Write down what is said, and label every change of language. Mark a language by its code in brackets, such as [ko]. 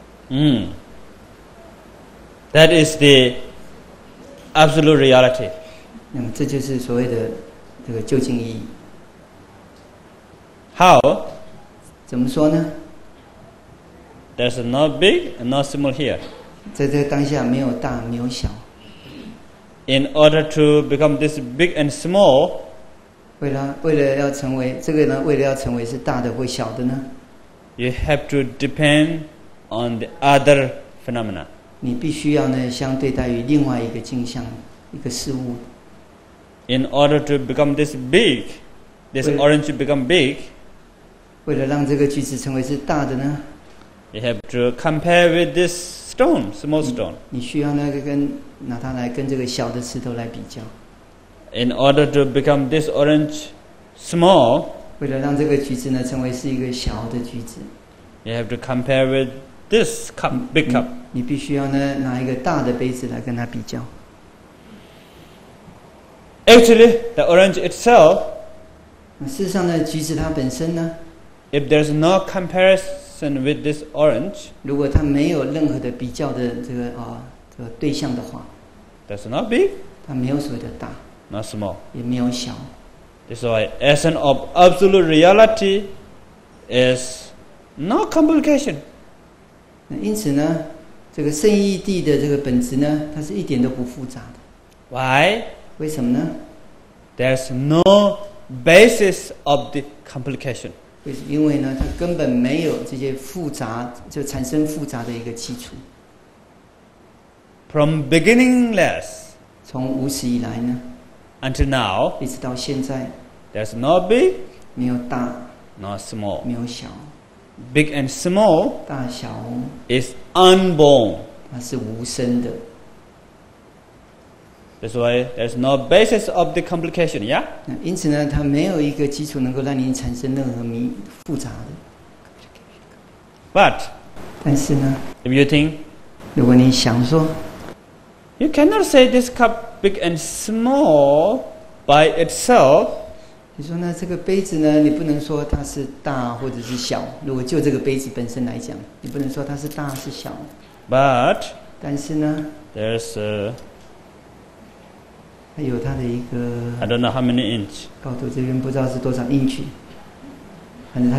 [en] 嗯 ，That is the absolute reality。 [zh] 那么这就是所谓的这个究竟意义。 [en] How？ [zh] 怎么说呢 [en] ？There's no big and no small here。 [zh] 在这当下，没有大，没有小。 [en] In order to become this big and small。 [zh] 为了要成为这个呢，为了要成为是大的或小的呢 [en] ？You have to depend on the other phenomena. [zh] 你必须要呢，相对待于另外一个镜像，一个事物。 [en] In order to become this big, this orange become big. [zh] 为了让这个橘子成为是大的呢 [en] ？You have to compare with this stone, small stone. [zh] 你需要那个跟拿它来跟这个小的石头来比较。 [en] In order to become this orange small, [zh] 为了让这个橘子呢成为是一个小的橘子 [en] you have to compare with this cup, big cup. [zh] 你必须要呢拿一个大的杯子来跟它比较。 [en] Actually, the orange itself, [zh] 事实上呢橘子它本身呢 [en] if there's no comparison with this orange, [zh] 如果它没有任何的比较的这个这个对象的话 [en] that's not big. [zh] 它没有所谓的大。 [en] Not small. [zh] 也没有小。 [en] That's why essence of absolute reality is no complication. [zh] 因此呢，这个圣义谛的这个本质呢，它是一点都不复杂的。 [en] Why? [zh] 为什么呢 [en] ？There's no basis of the complication. [zh] 因为呢，它根本没有这些复杂，就产生复杂的一个基础。 [en] From beginningless. [zh] 从无始以来呢？ [en] Until now, [zh] 一直到现在 [en] there's no big, [zh] 没有大 [en] not small, [zh] 没有小 [en] big and small, [zh] 大小 [en] is unborn, [zh] 它是无声的 [en] That's why there's no basis of the complication, yeah? [zh] 因此呢它没有一个基础能够让你产生任何复杂的 [en] But, [zh] 但是呢 [en] if you think, [zh] 如果你想说 [en] you cannot say this cupBig and small by itself. [zh] 你说呢？这个杯子呢？你不能说它是大或者是小。如果就这个杯子本身来讲，你不能说它是大是小。 [en] But [zh] 但是呢 [en] ？There's a [zh] 它有它的一个。 [en] I don't know how many inch. [zh] 高度这边不知道是多少 inch， 反正它